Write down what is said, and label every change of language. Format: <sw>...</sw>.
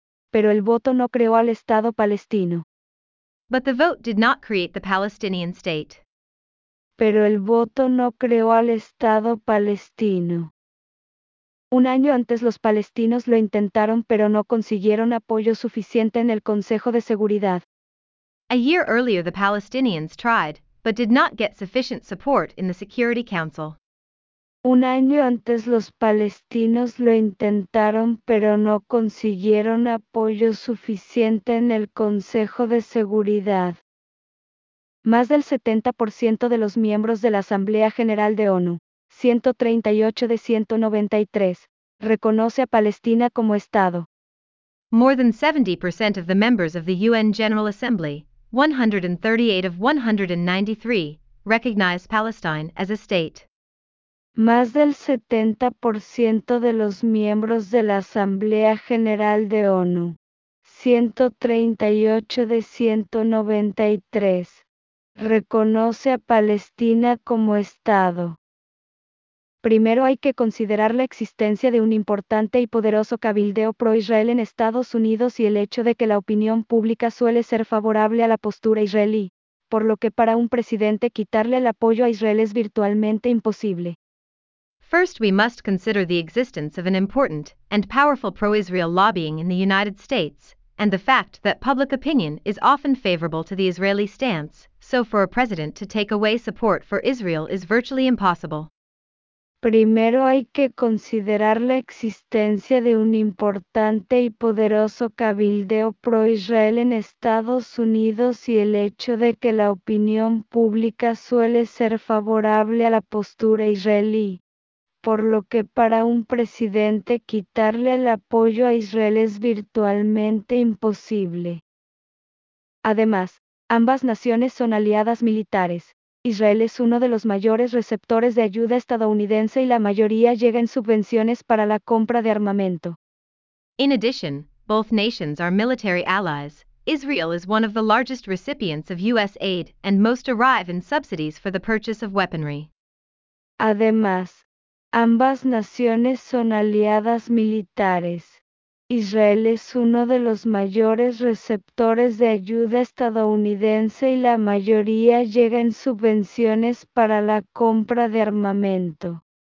<es>Pero el voto no creó al Estado palestino.</es> <en>But the vote did not create the Palestinian state.</en> <es>Pero el voto no creó al Estado palestino. Un año antes los palestinos lo intentaron pero no consiguieron apoyo suficiente en el Consejo de Seguridad.</es> <en>A year earlier the Palestinians tried, but did not get sufficient support in the Security Council.</en> <es>Un año antes los palestinos lo intentaron pero no consiguieron apoyo suficiente en el Consejo de Seguridad. Más del 70% de los miembros de la Asamblea General de ONU, 138 de 193, reconoce a Palestina como Estado.</es> <en>More than 70% of the members of the UN General Assembly, 138 of 193, recognize Palestine as a state.</en> <es>Más del 70% de los miembros de la Asamblea General de ONU, 138 de 193, reconoce a Palestina como Estado. Primero hay que considerar la existencia de un importante y poderoso cabildeo pro-Israel en Estados Unidos y el hecho de que la opinión pública suele ser favorable a la postura israelí, por lo que para un presidente quitarle el apoyo a Israel es virtualmente imposible.</es> <en>First, we must consider the existence of an important and powerful pro-Israel lobbying in the United States, and the fact that public opinion is often favorable to the Israeli stance, so for a president to take away support for Israel is virtually impossible.</en> <es>Primero hay que considerar la existencia de un importante y poderoso cabildeo pro-Israel en Estados Unidos y el hecho de que la opinión pública suele ser favorable a la postura israelí. por lo que para un presidente quitarle el apoyo a Israel es virtualmente imposible. Además, ambas naciones son aliadas militares. Israel es uno de los mayores receptores de ayuda estadounidense y la mayoría llega en subvenciones para la compra de armamento.</es> <en>In addition, both nations are military allies. Israel is one of the largest recipients of U.S. aid and most arrive in subsidies for the purchase of weaponry.</en> <es>Además, ambas naciones son aliadas militares. Israel es uno de los mayores receptores de ayuda estadounidense y la mayoría llega en subvenciones para la compra de armamento.</es>